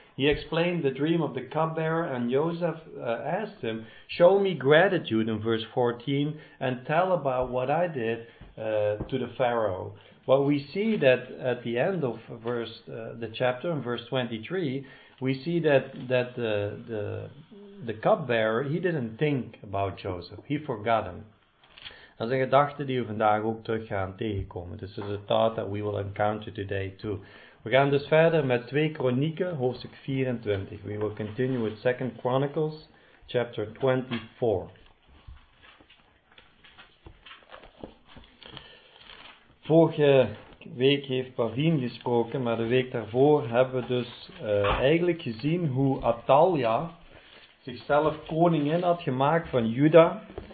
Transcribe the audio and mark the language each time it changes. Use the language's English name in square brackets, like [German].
[English] He explained the dream of the cupbearer, and Yosef asked him, show me gratitude in verse 14 and tell about what I did to the Pharaoh. Well, we see that at the end of the chapter, in verse 23, we see that the cupbearer, he didn't think about Joseph. He forgot him. [Dutch] Dat is een gedachte die we vandaag ook terug gaan tegenkomen. [English] This is a thought that we will encounter today too. [Dutch] We gaan dus verder met 2 Kronieken, hoofdstuk 24. [English] We will continue with 2 Chronicles, chapter 24. [Dutch] Vorige week heeft Pavien gesproken, maar de week daarvoor hebben we dus eigenlijk gezien hoe Atalia zichzelf koningin had gemaakt van Juda.